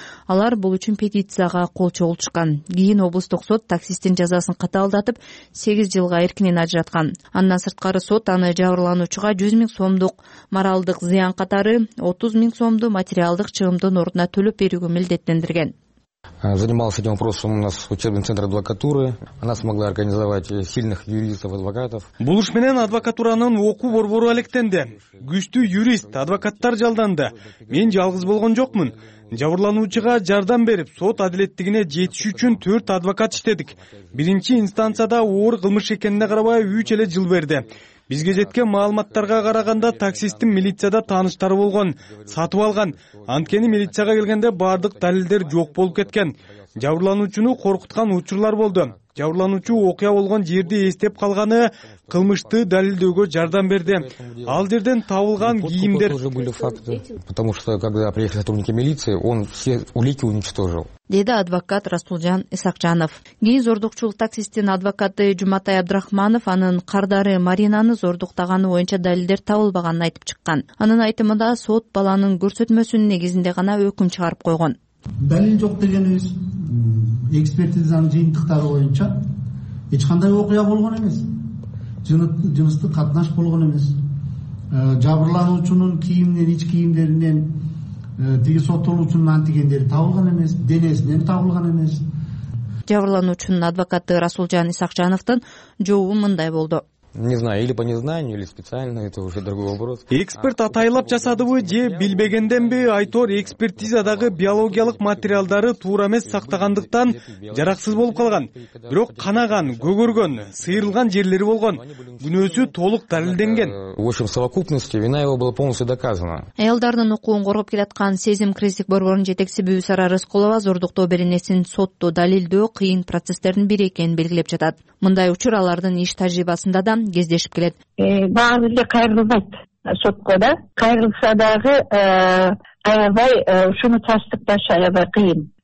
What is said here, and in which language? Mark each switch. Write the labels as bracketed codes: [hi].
[ky] Алар бул үчүн петицияга кол чогултушкан. Кийин облустук сот таксисттин жазасын катаалдатып, 8 жылга эркинен ажыраткан. Андан сырткары сот аны жабырлануучуга 100 000 сомдук моралдык зыян катары, 30 000 сомду материалдык чыгымдын ордуна төлөп берүүгө милдеттендирген. [ru] Занимался этим вопросом у нас учебный центр адвокатуры. Она смогла организовать сильных юристов, адвокатов. [ky] Бул иш менен адвокатуранын окуу борбору алектенди. Күчтүү юрист, адвокаттар жалданды. Мен жалгыз болгон жокмун. Жабырлануучуга жардам берип, сот адилеттигине жетиш үчүн 4 адвокат иштедик. Биринчи инстанцияда оор кылмыш экенине карабай 3 эле жыл берди. Бизге жеткен маалыматтарга караганда таксисттин милицияда тааныштары болгон, сатып алган. Анткени милицияга келгенде бардык далилдер жок болуп кеткен. Жабырлануучуну коркуткан учурлар болду. Жабырлануучу окуя болгон жерди эстеп калганы кылмышты далилдөөгө жардам берди. Ал жерден табылган кийимдер. [ru] Потому что когда приехали сотрудники милиции, он все улики уничтожил. [ky] Деди адвокат Расулжан Исакжанов. Кийин зордукчул таксисттин адвокаты Жуматай Абдрахманов анын кардары Маринаны зордуктаганы боюнча далилдер табылбаганын айтып чыккан. Анын айтымында сот баланын көрсөтмөсүнүн негизинде гана өкүм чыгарып койгон. Далил жок дегенибиз экспертизанын жыйынтыктары боюнча эч кандай окуя болгон эмес. Жыныстык катнаш болгон эмес. Жабырлануучунун кийиминен, ич кийимдеринен тиги соттолуучунун антигендери табылган эмес, денесинен табылган эмес. Жабырлануучунун адвокаты Расулжан Исакжановдун жообу мындай болду. [ru] Не знаю, или по незнанию, или специально, это уже другой вопрос. [ky] Эксперт атайлап жасадыбы же билбегендеби, айтор экспертизадагы биологиялык материалдары туура эмес сактагандыктан жараксыз болуп калган. Бирок канаган, көгөргөн, сыйрылган жерлери болгон. Күнөөсү толук далилденген. [ru] В общем, в совокупности вина его была полностью доказана. [ky] Аялдардын укугун коргоп келаткан Сезим Кризис борборунун жетекчиси Бүбүсара Рыскулова зордуктоо беренесин сотто далилдөө кыйын процесстердин бири экенин белгилеп жатат. Мындай учур алардын иш тажрыйбасында да кездешип келет. Баары эле кайрылбайт сотко да. Кайрылса дагы аябай ушуну тастыкташ аябай кыйын.